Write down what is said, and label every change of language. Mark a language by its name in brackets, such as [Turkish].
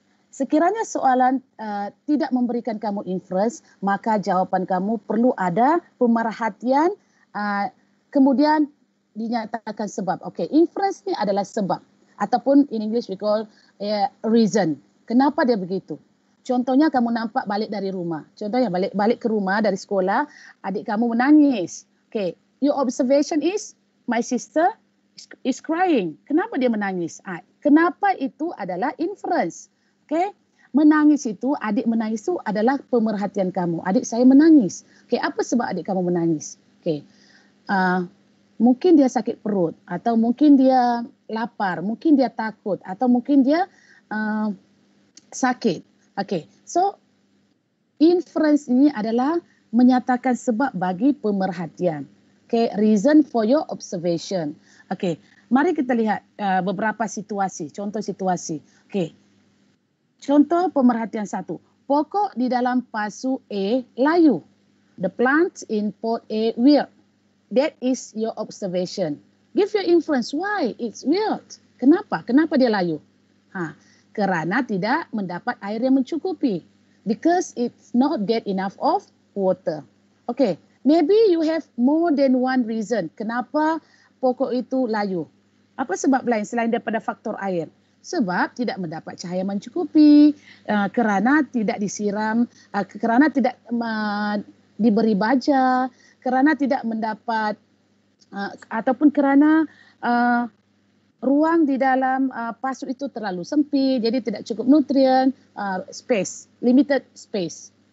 [Malay] Sekiranya soalan tidak memberikan kamu inference, maka jawapan kamu perlu ada pemerhatian, kemudian dinyatakan sebab. Okey, inference ini adalah sebab. Ataupun [English] in English we call reason. [Malay] Kenapa dia begitu? Contohnya kamu nampak balik dari rumah. Contohnya balik ke rumah dari sekolah, adik kamu menangis. [English] Okay, your observation is my sister is crying. [Malay] Kenapa dia menangis? Kenapa itu adalah inference. Okay, menangis itu, adik menangis itu adalah pemerhatian kamu. Adik saya menangis. Okay, apa sebab adik kamu menangis? Okay, mungkin dia sakit perut atau mungkin dia lapar, mungkin dia takut atau mungkin dia sakit. Okey. So inference ini adalah menyatakan sebab bagi pemerhatian. Okey, [English] reason for your observation. [Malay] Okey. Mari kita lihat beberapa situasi, contoh situasi. Okey. Contoh pemerhatian satu. Pokok di dalam pasu A layu. [English] The plant in pot A wilt. That is your observation. Give your inference why it's wilt. [Malay] Kenapa? Kenapa dia layu? Ha, kerana tidak mendapat air yang mencukupi. [English] Because it's not get enough of water. Okay, maybe you have more than one reason. [Malay] Kenapa pokok itu layu? Apa sebab lain selain daripada faktor air? Sebab tidak mendapat cahaya mencukupi, kerana tidak disiram, kerana tidak diberi baja, kerana tidak mendapat ataupun kerana ruang di dalam pasu itu terlalu sempit, jadi tidak cukup nutrien, [English] space, limited space.